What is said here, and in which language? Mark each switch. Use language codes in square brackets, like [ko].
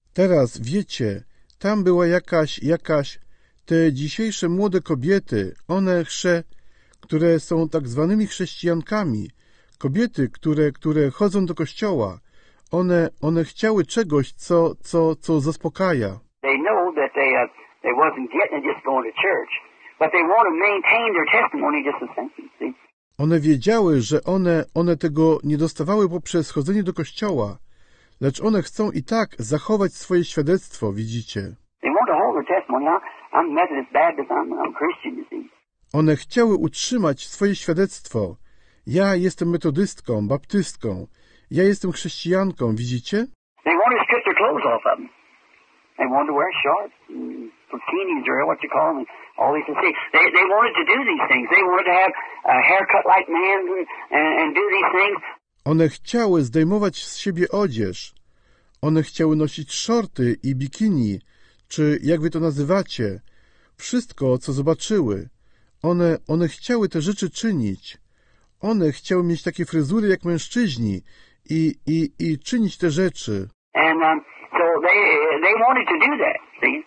[pl] Teraz wiecie, tam była jakaś te dzisiejsze młode kobiety, one które są tak zwanymi chrześcijankami, kobiety, które chodzą do kościoła. One chciały czegoś, co zaspokaja. [en] They know that they wasn't getting it just going to church, but they want to maintain their testimony just the same. [pl] One wiedziały, że one tego nie dostawały poprzez chodzenie do kościoła, lecz one chcą i tak zachować swoje świadectwo, widzicie. [en] They want to hold their testimony. I'm Methodist Baptist. I'm Christian, you see. [pl] One chciały utrzymać swoje świadectwo. Ja jestem metodystką, baptystką. Ja jestem chrześcijanką, widzicie? [en] They want to strip their clothes off of them. They want to wear shorts, bikinis, or what you call them, all these things. They wanted to do these things. They wanted to have a haircut like man and do these things. [pl] One chciały zdejmować z siebie odzież. One chciały nosić shorty i bikini, czy jak wy to nazywacie. Wszystko, co zobaczyły. One chciały te rzeczy czynić. One chciały mieć takie fryzury jak mężczyźni i czynić te rzeczy. [en] And so they wanted to do that, see?